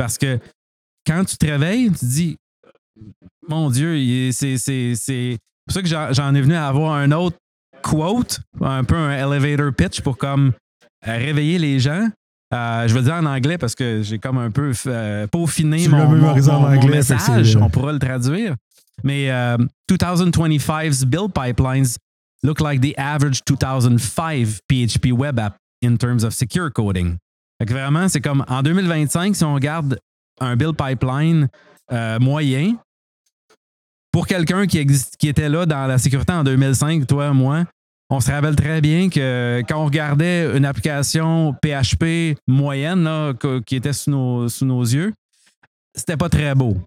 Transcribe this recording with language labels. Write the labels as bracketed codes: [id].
[fr] Parce que quand tu te réveilles, tu te dis, mon Dieu, c'est pour ça que j'en ai venu à avoir un autre quote, un peu un elevator pitch pour comme réveiller les gens. Je vais le dire en anglais parce que j'ai comme un peu peaufiné mon message. On pourra le traduire. [en] Mais 2025's build pipelines look like the average 2005 PHP web app in terms of secure coding. [fr] Fait que vraiment, c'est comme en 2025, si on regarde un build pipeline moyen, pour quelqu'un qui était là dans la sécurité en 2005, toi, moi, On se rappelle très bien que quand on regardait une application PHP moyenne là, qui était sous nos yeux, c'était pas très beau.